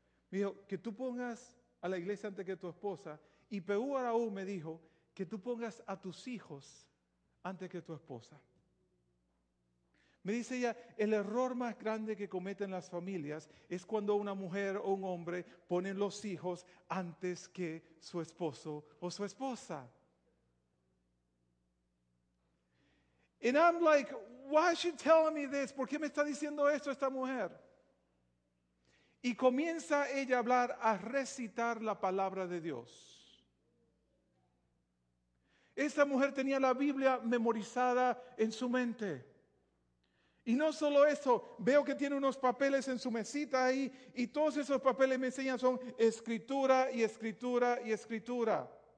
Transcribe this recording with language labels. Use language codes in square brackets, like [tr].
[es] Me dijo, que tú pongas a la iglesia antes que tu esposa. Y peor aún me dijo, que tú pongas a tus hijos antes que tu esposa. Me dice ella, el error más grande que cometen las familias es cuando una mujer o un hombre ponen los hijos antes que su esposo o su esposa. [en] And I'm like, why is she telling me this? [es] ¿Por qué me está diciendo esto esta mujer? Y comienza ella a hablar, a recitar la palabra de Dios. Esta mujer tenía la Biblia memorizada en su mente. Y no solo eso, veo que tiene unos papeles en su mesita ahí y todos esos papeles me enseñan son escritura y escritura y escritura.